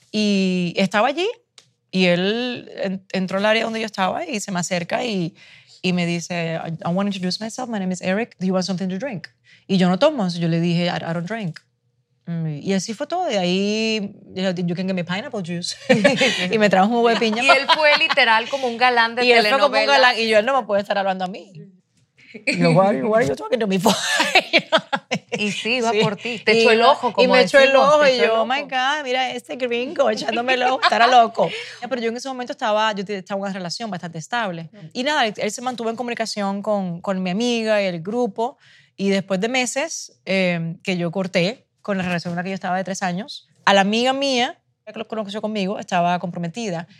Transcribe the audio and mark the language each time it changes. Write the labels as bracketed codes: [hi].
[es] Y estaba allí, y él entró al área donde yo estaba, y se me acerca, y me dice, [en] I want to introduce myself, my name is Eric, do you want something to drink? [es] Y yo no tomo, entonces yo le dije, [en] I don't drink. [es] Y así fue todo, y ahí, [en] you can get me pineapple juice. [es] Y me trajo un jugo de piña. Y él fue literal como un galán de telenovela. Y él fue como un galán, y yo, él no me puede estar hablando a mí. Y yo, [en] why are you talking to me for? [es] Y sí, va por ti, te echó el ojo, como y me echó el ojo, y yo, [en] oh my God, [es] mira este gringo echándome el ojo, estará loco. Pero yo en ese momento estaba en una relación bastante estable. Y nada, él se mantuvo en comunicación con mi amiga y el grupo, y después de meses que yo corté con la relación en la que yo estaba de 3 años, a la amiga mía, que lo conoció conmigo, estaba comprometida.